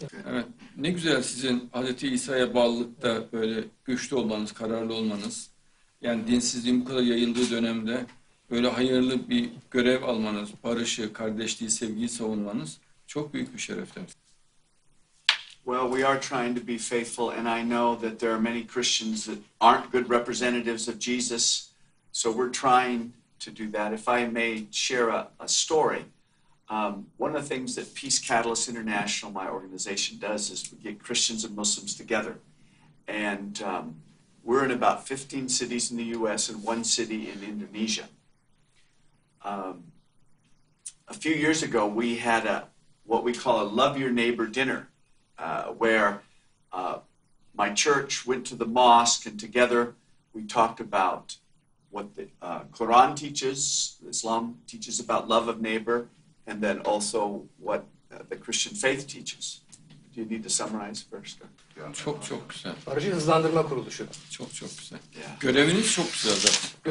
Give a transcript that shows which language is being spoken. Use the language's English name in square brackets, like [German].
[Turkish] Evet, ne güzel sizin Hazreti İsa'ya bağlılıkta böyle güçlü olmanız, kararlı olmanız. Yani dinsizliğin bu kadar yayıldığı dönemde böyle hayırlı bir görev almanız, barışı, kardeşliği, sevgiyi savunmanız çok büyük bir şeref demiş. [English] Well, we are trying to be faithful and I know that there are many Christians that aren't good representatives of Jesus. So we're trying to do that. If I may share a story, One of the things that Peace Catalyst International, my organization, does is we get Christians and Muslims together. And we're in about 15 cities in the U.S. and one city in Indonesia. A few years ago, we had what we call a Love Your Neighbor dinner, where my church went to the mosque, and together we talked about what the Quran teaches, Islam teaches about love of neighbor, and then also what the Christian faith teaches. Do you need to summarize first? [Turkish] Çok çok güzel. Aracı hızlandırma kuruluşu. Çok çok güzel. Yeah. Göreviniz çok güzel zaten.